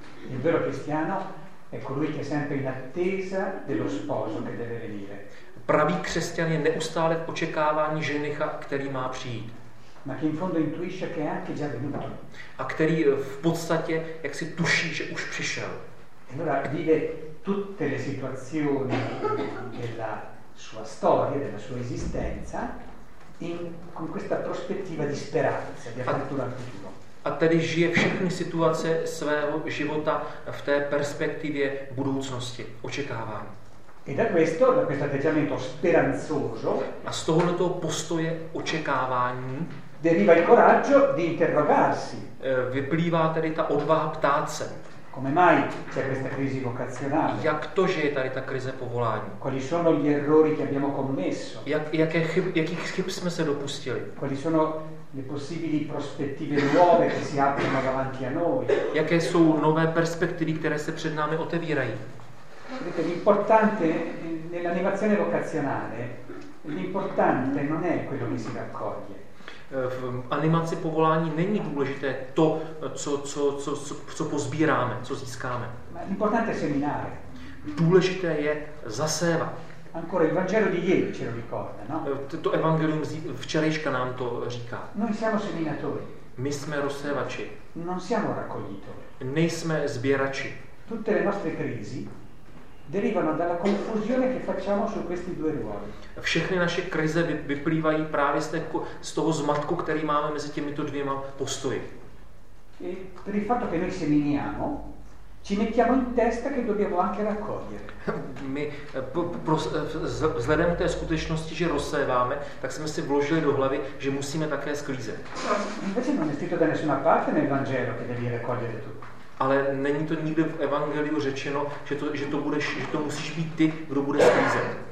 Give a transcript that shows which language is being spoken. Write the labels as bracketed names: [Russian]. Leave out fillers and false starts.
[Italian] Il vero cristiano è colui che è sempre in attesa dello sposo che deve venire. [Czech] Pravý křesťan je neustále v očekávání ženicha, který má přijít. [Italian] Ma che in fondo intuisce che è anche già venuto. [Czech] A který v podstatě jak si tuší, že už přišel. [Italian] Allora vive tutte le situazioni della sua storia, della sua esistenza con questa prospettiva di speranza, di apertura al futuro. [Czech] A tedy žije všechny situace svého života v té perspektivě budoucnosti, očekávání. [Italian] E da questo, da questo atteggiamento speranzoso, [Czech] a z tohoto postoje očekávání [Italian] deriva il coraggio di interrogarsi. [Czech] Vyplývá tedy ta odvaha ptát se. [Italian] Come mai c'è questa crisi vocazionale? [Czech] Jak to, že je tady ta krize povolání? [Italian] Quali sono gli errori che abbiamo commesso? [Czech] Jakých chyb jsme se dopustili? [Italian] Quali sono le possibili prospettive nuove che si aprono davanti a noi? [Czech] Jaké jsou nové perspektivy, které se před námi otevírají? [Italian] Vedete, l'importante nell'animazione vocazionale, l'importante non è quello che si raccoglie. [Czech] V animaci povolání není důležité to, co pozbíráme, co získáme. [Italian] L'importante è seminare. [Czech] Důležité je zasévat. [Italian] Ancora il Vangelo di ieri ce lo ricorda, no? [Czech] To evangelium včerejška nám to říká. [Italian] Noi siamo seminatori. [Czech] My jsme rozsévači. [Italian] Non siamo raccoglitori. [Czech] Nejsme sběrači. [Italian] Tutte le nostre crisi derivano dalla confusione che facciamo su questi due ruoli. [Czech] Všechny naše krize vyplývají právě z toho zmatku, který máme mezi těmito dvěma postoji. [Italian] E per il fatto che noi seminiamo, ci mettiamo in testa che dobbiamo anche raccogliere. [Czech] My vzhledem k té skutečnosti, že rozséváme, tak jsme si vložili do hlavy, že musíme také sklízet. [Italian] Invece non è scritto da nessuna parte nel Vangelo che devi raccogliere tutto. [Czech] Ale není to nikde v evangeliu řečeno, že to musíš být ty, kdo bude sklízet.